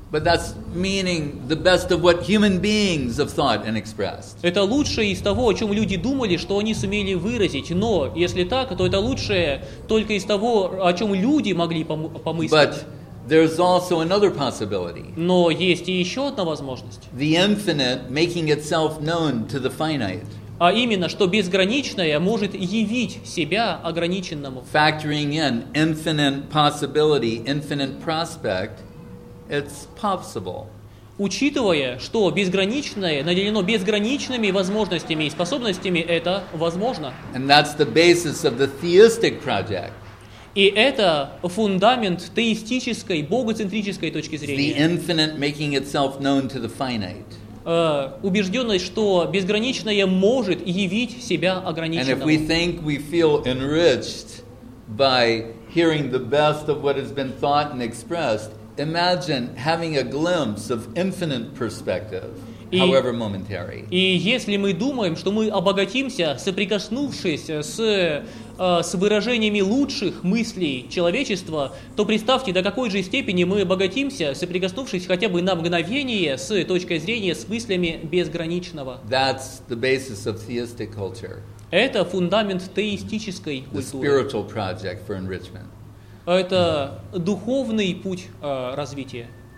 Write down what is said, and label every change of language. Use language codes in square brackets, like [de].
[en] But that's meaning the best of what human beings have thought and expressed. [ru] Это лучшее из того, о чем люди думали, что они сумели выразить. Но если так, то это лучшее только из того, о чем люди могли помыслить. [en] But there's also another possibility. [ru] Но есть и еще одна возможность. [en] The infinite making itself known to the finite. [ru] А именно, что безграничное может явить себя ограниченному. [en] Factoring in infinite possibility, infinite prospect, it's possible. [ru] Учитывая, что безграничное наделено безграничными возможностями и способностями, это возможно. [en] And that's the basis of the theistic project. [ru] И это фундамент теистической, богоцентрической точки зрения. [en] The infinite making itself known to the finite. [ru] Убежденность, что безграничное может явить себя ограниченным. [en] And if we think we feel enriched by hearing the best of what has been thought and expressed, imagine having a glimpse of infinite perspective, however momentary. [ru] И если мы думаем, что мы обогатимся, соприкоснувшись с выражениями лучших мыслей человечества, то представьте, до какой же степени мы обогатимся, соприкоснувшись хотя бы на мгновение с точкой зрения с мыслями безграничного. [en] That's the basis of theistic culture. [ru] Это фундамент теистической культуры. [en] The spiritual project for enrichment. [ru] Это духовный путь развития.